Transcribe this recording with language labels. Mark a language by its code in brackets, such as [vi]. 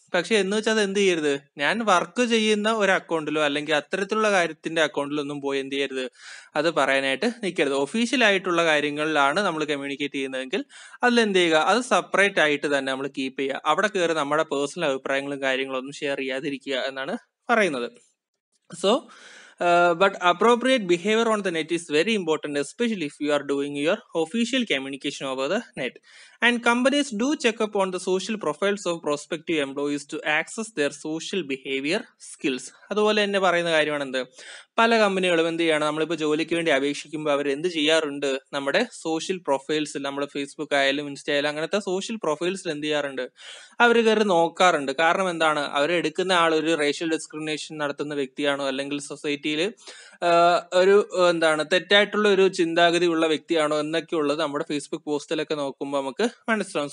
[ml] പക്ഷെ എന്ന് വെച്ചാൽ അത് എന്ത് ചെയ്യരുത്, ഞാൻ വർക്ക് ചെയ്യുന്ന ഒരു അക്കൗണ്ടിലോ അല്ലെങ്കിൽ അത്തരത്തിലുള്ള കാര്യത്തിന്റെ അക്കൗണ്ടിലോ ഒന്നും പോയി എന്ത് ചെയ്യരുത്, അത് പറയാനായിട്ട് നിൽക്കരുത്. ഒഫീഷ്യൽ ആയിട്ടുള്ള കാര്യങ്ങളിലാണ് നമ്മൾ കമ്മ്യൂണിക്കേറ്റ് ചെയ്യുന്നതെങ്കിൽ അതിൽ എന്ത് ചെയ്യുക, അത് സെപ്പറേറ്റ് ആയിട്ട് തന്നെ നമ്മൾ കീപ്പ് ചെയ്യുക, അവിടെ കയറി നമ്മുടെ പേഴ്സണൽ അഭിപ്രായങ്ങളും കാര്യങ്ങളും ഒന്നും ഷെയർ ചെയ്യാതിരിക്കുക എന്നാണ് പറയുന്നത്. [en] So But appropriate behavior on the net is very important, especially if you are doing your official communication over the net. And companies do check up on the social profiles of prospective employees to access their social behavior skills. [ml] അതുപോലെ തന്നെ പറയുന്ന കാര്യമാണ് എന്ത്, പല കമ്പനികളും എന്ത് ചെയ്യണം, നമ്മളിപ്പോൾ ജോലിക്ക് വേണ്ടി അപേക്ഷിക്കുമ്പോൾ അവർ എന്ത് ചെയ്യാറുണ്ട്, നമ്മുടെ സോഷ്യൽ പ്രൊഫൈൽസിൽ, നമ്മുടെ ഫേസ്ബുക്ക് ആയാലും ഇൻസ്റ്റ ആയാലും അങ്ങനത്തെ സോഷ്യൽ പ്രൊഫൈൽസിൽ എന്ത് ചെയ്യാറുണ്ട്, അവർ കയറി നോക്കാറുണ്ട്. കാരണം എന്താണ്, അവർ എടുക്കുന്ന ആൾ ഒരു റേഷ്യൽ ഡിസ്ക്രിമിനേഷൻ നടത്തുന്ന വ്യക്തിയാണോ അല്ലെങ്കിൽ സൊസൈറ്റിയിൽ ഒരു എന്താണ് തെറ്റായിട്ടുള്ള ഒരു ചിന്താഗതി ഉള്ള വ്യക്തിയാണോ എന്നൊക്കെ ഉള്ളത് നമ്മുടെ ഫേസ്ബുക്ക് പോസ്റ്റിലൊക്കെ നോക്കുമ്പോൾ നമുക്ക് മനസ്സിലാവും.